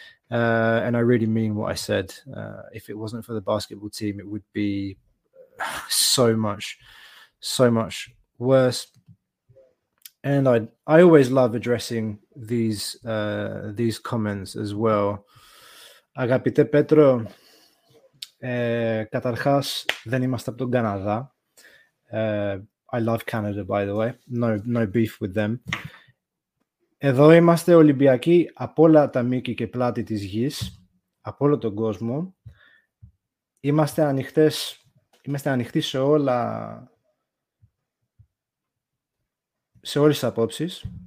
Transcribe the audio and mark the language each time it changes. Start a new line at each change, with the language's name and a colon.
English: And I really mean what I said. If it wasn't for the basketball team, it would be so much, so much worse. And I always love addressing these comments as well.
Greek: Αγαπητέ Πέτρο, καταρχάς δεν είμαστε από τον Καναδά.
English: I love Canada, by the way. No beef with them.
Greek: Εδώ είμαστε Ολυμπιακοί από όλα τα μήκη και πλάτη της γης, από όλο τον κόσμο. Είμαστε ανοιχτοί σε όλα, σε όλες τις απόψεις.